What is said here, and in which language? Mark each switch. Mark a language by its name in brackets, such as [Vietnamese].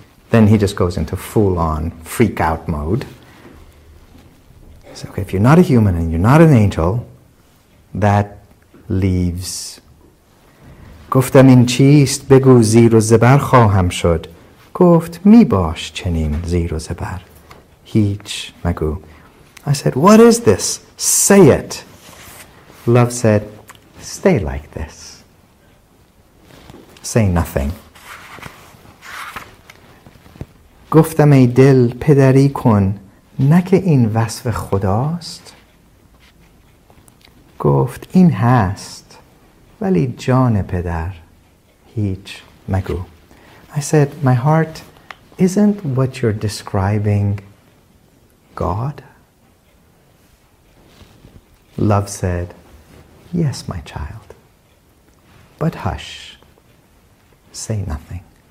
[English] Then he just goes into full-on freak-out mode. So, okay, if you're not a human and you're not an angel, that leaves. [Persian] گفتم این چیست بگو زیر و زبر خواهم شد. گفت می باش چنین زیر و زبر. هیچ مگو. [English] I said, what is this? Say it. Love said, stay like this. Say nothing. [Persian] گفتم ای دل پدری کن نکه این وصف خداست. گفت این هست ولی جان پدر هیچ مگو. [English] I said, my heart, isn't what you're describing God? Love said, yes, my child, but hush, say nothing.